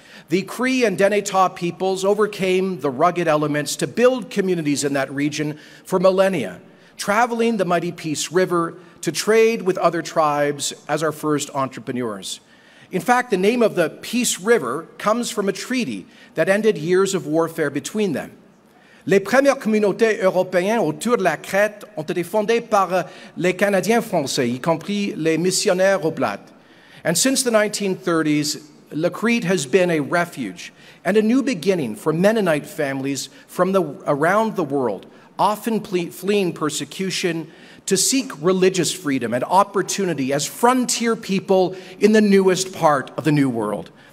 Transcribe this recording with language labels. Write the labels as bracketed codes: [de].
[en] The Cree and Dene Taw peoples overcame the rugged elements to build communities in that region for millennia, traveling the mighty Peace River to trade with other tribes as our first entrepreneurs. In fact, the name of the Peace River comes from a treaty that ended years of warfare between them. [fr] Les premières communautés européennes autour de la Crète ont été fondées par les Canadiens français, y compris les missionnaires au Blatt. [en] And since the 1930s, La Crete has been a refuge and a new beginning for Mennonite families from around the world, often fleeing persecution, to seek religious freedom and opportunity as frontier people in the newest part of the New World.